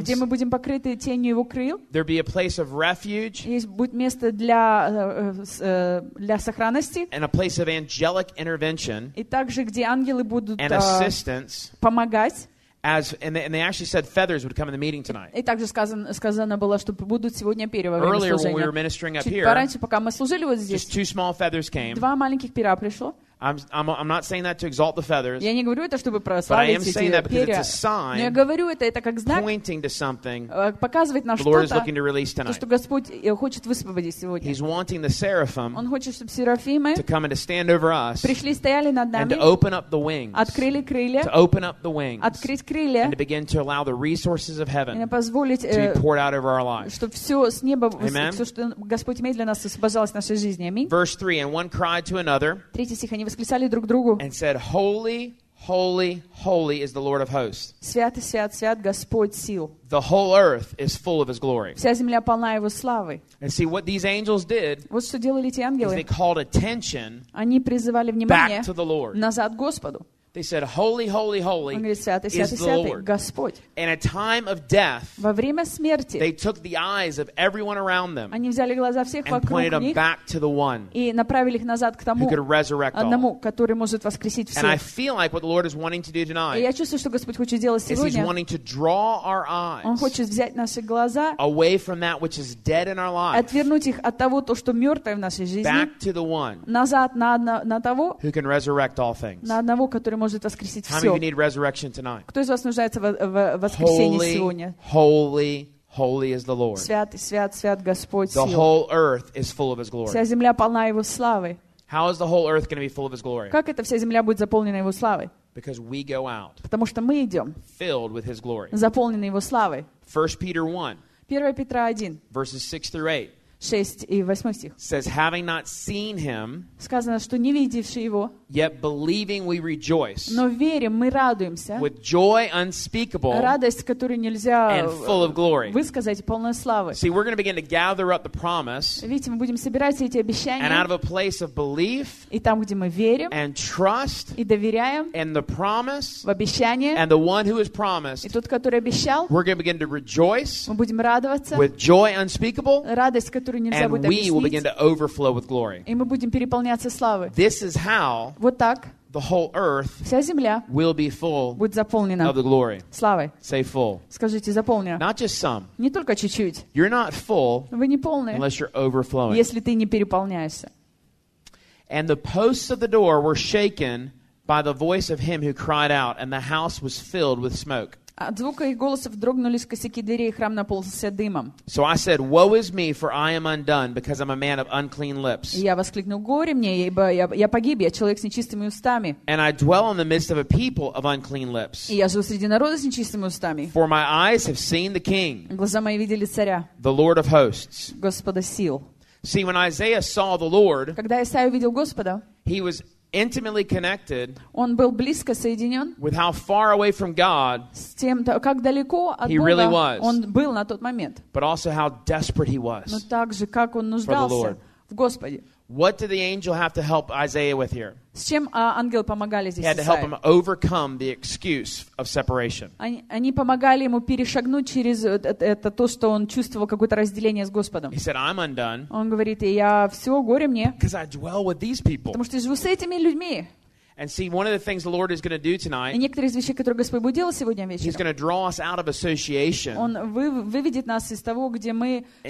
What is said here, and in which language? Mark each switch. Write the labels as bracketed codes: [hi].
[ru] Где мы будем покрыты тенью его крыл. [en] There'll be a place of refuge. [ru] Есть будет место для для сохранности. [en] And a place of angelic intervention. [ru] И также где ангелы будут [en] and assistance. [ru] Помогать. [en] And they actually said feathers would come in the meeting tonight. [ru] И также сказано было, что будут сегодня перья во время [en] Earlier, [ru] служения. [en] When we were ministering up [ru] Чуть [en] here, [ru] пораньше, пока мы служили вот здесь, [en] just two small feathers came. [ru] Два маленьких пера пришло. [en] I'm not saying that to exalt the feathers. [ru] Я не говорю это, чтобы прославить эти перья. [en] But I am saying that because it's a sign. [ru] Но я говорю это как знак. [en] Pointing to something. [ru] Показывает на что-то. [en] The Lord is looking to release tonight. [ru] То, что Господь хочет высвободить сегодня. [en] He's wanting the seraphim. [ru] Он хочет, чтобы серафимы [en] to come and to stand over us. [ru] Пришли, стояли над нами. [en] And to open up the wings. [ru] Открыли крылья. [en] To open up the wings. [ru] Открыть крылья. [en] And to begin to allow the resources of heaven. [ru] И позволить [en] to be poured out over our lives. [ru] Чтобы все с неба, Amen. Все, что Господь имеет для нас, освобождалось в нашей жизни. Аминь. [en] Verse 3, and one cried to another. [ru] Восклицали друг другу. [en] And said, "Holy, holy, holy is the Lord of hosts." [ru] Свят, свят, свят Господь сил. [en] The whole earth is full of His glory. [ru] Вся земля полна Его славы. [en] And see what these angels did. [ru] Вот что делали эти ангелы. [en] They called attention. [ru] Они призывали внимание. [en] Back to the Lord. [ru] Назад Господу. [en] They said, "Holy, holy, holy is the Lord." [ru] Господь. [en] In a time of death, [ru] во время смерти, [en] they took the eyes of everyone around them. [ru] Они взяли глаза всех вокруг них. [en] And pointed them back to the one. [ru] И направили их назад к тому, [en] who could resurrect all. [ru] Одному, который может воскресить всех. [en] And I feel like what the Lord is wanting to do tonight. [ru] И я чувствую, что Господь хочет делать сегодня. [en] Is He's wanting to draw our eyes. [ru] Он хочет взять наши глаза. [en] Away from that which is dead in our lives. [ru] Отвернуть их от того, то что мертвое в нашей жизни. [en] Back to the one. [ru] Назад на того, [en] who can resurrect all things. [ru] На одного, который может воскресить все. [en] How many of you need resurrection tonight? [ru] Кто из вас нуждается в воскресении сегодня? [en] Holy, holy is the Lord. [ru] Свят, свят, свят Господь. [en] The whole earth is full of His glory. [ru] Вся земля полна Его славы. [en] How is the whole earth going to be full of His glory? [ru] Как эта вся земля будет заполнена Его славой? [en] Because we go out. [ru] Потому что мы идем. [en] Filled with His glory. [ru] Заполненные Его славой. [en] 1 Peter 1. [ru] 1 Петра 1. [en] Verses 6 through 8. [ru] 6 и 8 стих. [en] Says, having not seen him, [ru] сказано, что не видевши его, [en] yet believing we rejoice, [ru] но верим, мы радуемся, [en] with joy unspeakable, [ru] радость, которую нельзя [en] and full of glory. [ru] Высказать, полной славы. [en] See, we're going to begin to gather up the promise, [ru] видите, мы будем собирать эти обещания, [en] and out of a place of belief, [ru] и там, где мы верим, [en] and trust, [ru] и доверяем, [en] and the promise, [ru] в обещание, [en] and the one who is promised, [ru] и тот, который обещал, [en] we're going to begin to rejoice, [ru] мы будем радоваться, [en] with joy unspeakable, [ru] радость, [en] And we will begin to overflow with glory. [ru] И мы будем переполняться славой. [en] This is how [ru] вот так [en] the whole earth [ru] вся земля [en] will be full [ru] будет заполнена [en] of the glory. [ru] Славой. [en] Say full. [ru] Скажите, заполнена. [en] Not just some. [ru] Не только чуть-чуть. [en] You're not full [ru] вы не полны, [en] unless you're overflowing. [ru] Если ты не переполняешься. [en] And the posts of the door were shaken by the voice of him who cried out, and the house was filled with smoke. [ru] От звука их голосов дрогнулись косяки двери, и храм наполнился дымом. [en] So I said, "Woe is me, for I am undone, because I'm a man of unclean lips." [ru] Я воскликнул: горе мне, ибо я погиб, я человек с нечистыми устами. [en] And I dwell in the midst of a people of unclean lips. [ru] И я живу среди народа с нечистыми устами. [en] For my eyes have seen the King. [ru] Глаза мои видели царя. [en] The Lord of hosts. [ru] Господа сил. [en] See, when Isaiah saw the Lord, [ru] когда Исаия увидел Господа, [en] he was intimately connected [ru] он был близко соединен [en] with how far away from God [ru] с тем, как далеко от Бога [en] he really was, [ru] он был на тот момент. [en] But also how desperate he was [ru] но также, как он нуждался в Господе. [en] What did the angel have to help Isaiah with here? [ru] С чем ангелы помогали здесь Исаии? [en] He had to help him overcome the excuse of separation. [ru] Они помогали ему перешагнуть через это то, что он чувствовал какое-то разделение с Господом. [en] He said, "I'm undone." [ru] Он говорит, я все, горе мне. [en] Because I dwell with these people. [ru] Потому что я живу с этими людьми. [en] And see, one of the things the Lord is going to do tonight. [ru] И некоторые из вещей, которые Господь будет делать сегодня вечером. [en] He's going to draw us out of association. [ru] Он выведет нас из того, где мы.